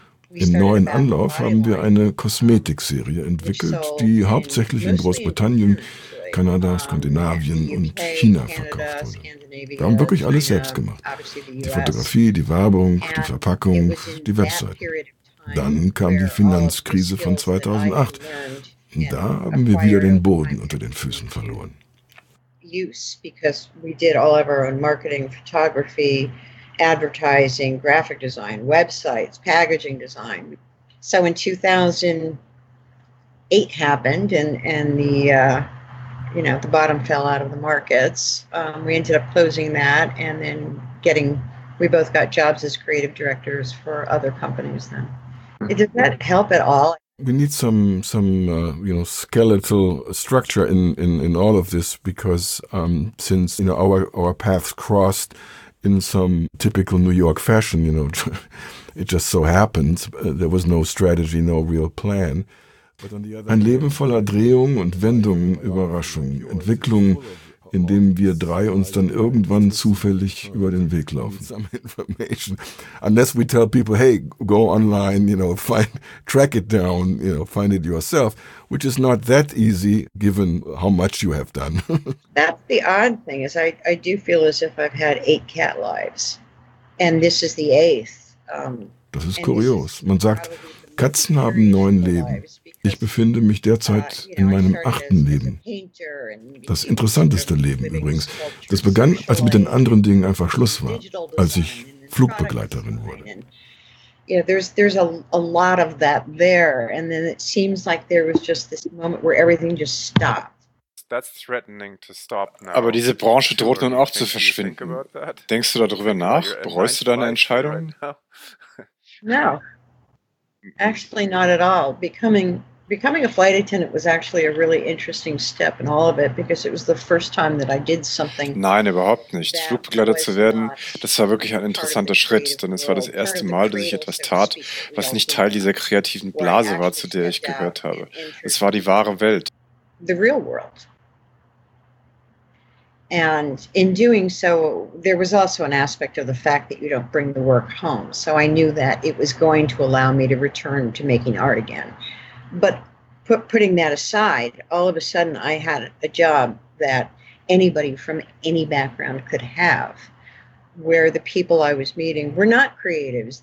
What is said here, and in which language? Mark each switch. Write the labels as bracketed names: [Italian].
[German] Im neuen Anlauf haben wir eine Kosmetikserie entwickelt, die hauptsächlich in Großbritannien, Kanada, Skandinavien und China verkauft wurde. Wir haben wirklich alles selbst gemacht. Die Fotografie, die Werbung, die Verpackung, die Webseiten. Dann kam die Finanzkrise von 2008. Und da haben wir wieder den Boden unter den Füßen verloren. [English] Because we did all of our own marketing, photography, advertising, graphic design, websites, packaging design. So in 2008 happened and the bottom fell out of the markets. We ended up closing that and then we both got jobs as creative directors for other companies then. Did that help at all? We need some skeletal structure in all of this because since our paths crossed in some typical New York fashion, you know, it just so happened. There was no strategy, no real plan. [German] Ein Leben voller Drehungen und Wendungen, Überraschungen, Entwicklungen, in dem wir drei uns dann irgendwann zufällig über den Weg laufen. [English] Some information. Unless we tell people, hey, go online, you know, find, track it down, you know, find it yourself, which is not that easy, given how much you have done. That's the odd thing, is I do feel as if I've had 8 cat lives. And this is the 8th. [German] Das ist kurios. Man sagt, Katzen haben 9 Leben. Ich befinde mich derzeit in meinem 8. Leben. Das interessanteste Leben übrigens. Das begann, als mit den anderen Dingen einfach Schluss war, als ich Flugbegleiterin wurde. [English] Ja, there's a lot of that there. And then it seems like there was just this moment where everything just stopped. That's threatening to stop now. [German] Aber diese Branche droht nun auch zu verschwinden. Denkst du darüber nach? Bereust du deine Entscheidung? [English] No. Actually, not at all. Becoming a flight attendant was actually a really interesting step in all of it, because it was the first time that I did something. [German] Nein, überhaupt nicht. Flugbegleiter zu werden, das war wirklich ein interessanter Schritt, denn es war das erste Mal, dass ich etwas tat, was nicht Teil dieser kreativen Blase war, zu der ich gehört habe. Es war die wahre Welt. [English] The real world. And in doing so, there was also an aspect of the fact that you don't bring the work home. So I knew that it was going to allow me to return to making art again. But putting that aside, all of a sudden I had a job that anybody from any background could have, where the people I was meeting were not creatives.